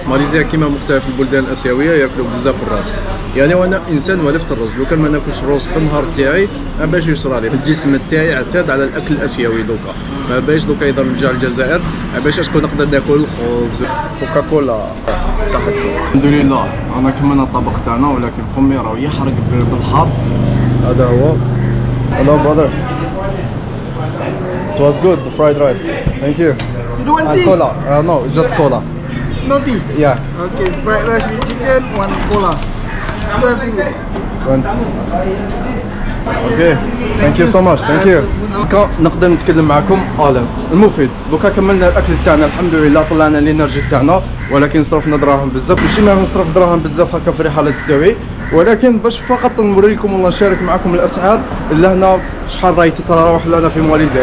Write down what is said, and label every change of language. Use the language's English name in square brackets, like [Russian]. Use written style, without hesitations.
[Arabic] ماليزيا كما مختلف البلدان الاسيويه ياكلوا بزاف الرز. يعني وانا انسان ولفت الرز لو كان ما ناكلش الرز في النهار تاعي ما باش يصرى لي الجسم تاعي اعتاد على الاكل الاسيوي دوكا ما باش دوكا اذا رجع الجزائر ما باش اشكون نقدر ناكل الخبز كوكا كولا. الحمد لله انا كملنا الطبق تاعنا ولكن فمي راه يحرق بالحار. هذا هو. [English] Hello brother. It was good, the fried rice. Thank you. You don't want tea? Cola. No, just cola. No tea? Yeah. Okay, fried rice with chicken, one cola. 20. Okay, thank you so much, thank you. [Arabic] دوكا نقدر نتكلم معكم اولم المفيد، دوكا كملنا الاكل تاعنا الحمد لله طلعنا الانرجي تاعنا ولكن صرفنا دراهم بزاف، ماشي ما نصرف دراهم بزاف هكا في رحلة التوي، ولكن باش فقط نوريكم والله نشارك معكم الاسعار اللي هنا شحال راهي تتراوح لنا في ماليزيا.